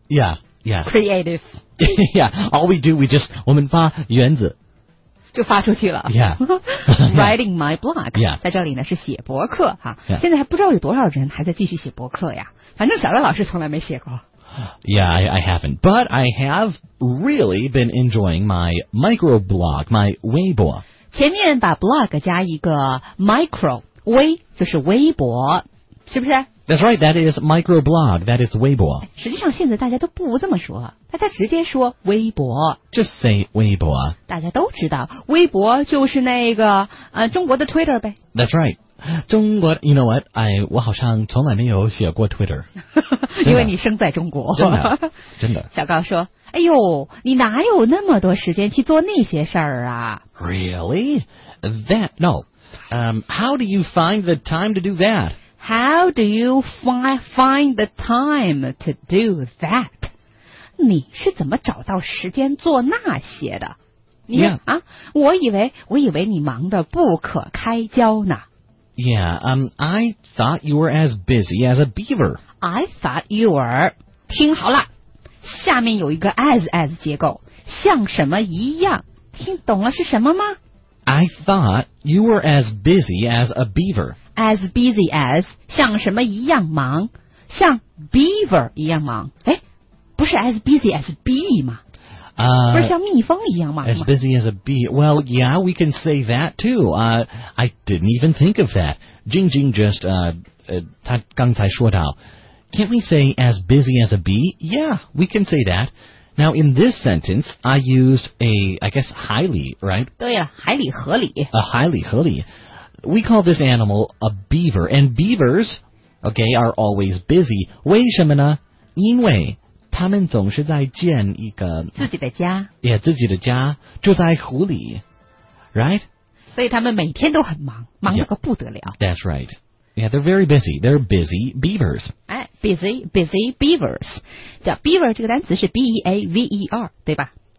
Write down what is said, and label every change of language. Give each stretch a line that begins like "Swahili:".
English: Yeah, yeah. Creative. Yeah, all we do, we just 我们发原子。
Chinese: 就发出去了。
English: Yeah. Writing my blog. Yeah.
Chinese: 在这里呢是写博客啊。
English: Yeah.
Chinese: 现在还不知道有多少人还在继续写博客呀。反正小乐老师从来没写过。
English: Yeah, I haven't. But I have really been enjoying my microblog, my Weibo.
Chinese: 前面把 blog 加一个 micro, 微就是微博。是不是
English: That's right, that is microblog, that is Weibo.
Chinese: 实际上现在大家都不这么说，大家直接说微博。
English: Just say 微博。
Chinese: 大家都知道，微博就是那个中国的 Twitter 呗。 That's right. 中国 you know what, 我好像从来没有写过 Twitter. 因为你生在中国。真的。真的。小高说，哎呦，你哪有那么多时间去做那些事儿啊？
English: Really? That, no. How do you find the time to do that? How do you find the time to do that?
Chinese: 你是怎么找到时间做那些的？你、
English: yeah.
Chinese: 啊，我以为你忙得不可开交呢。
English: Yeah, I thought you were as busy as a beaver.
Chinese: I thought you were. 听好了，下面有一个 as 结构，像什么一样？听懂了是什么吗？
English: I thought you were as busy as a beaver.
Chinese: As busy as, 像什么一样忙，像 beaver 一样忙。诶，不是 as busy as bee 吗？不是像蜜蜂一样忙吗？
English: As busy as a bee. Well, yeah, we can say that too. I didn't even think of that. Jing Jing just, 他刚才说到 Can't we say as busy as a bee? Yeah, we can say that. Now, in this sentence, I used I guess, 海里 right?
Chinese: 对呀、啊、海里河里。 A 海里河里。
English: We call this animal a beaver, and beavers, okay, are always busy.
Chinese: 为什么呢？因为他们总是在建一个自己的家。 Yeah, 自己的家住在湖里 right? 所以他们每天都很忙，忙得个不得了。
English: Yeah, that's right. Yeah, they're very busy. They're busy beavers.
Chinese: 哎 busy beavers. 叫 beaver 这个单词是 B-E-A-V-E-R, 对吧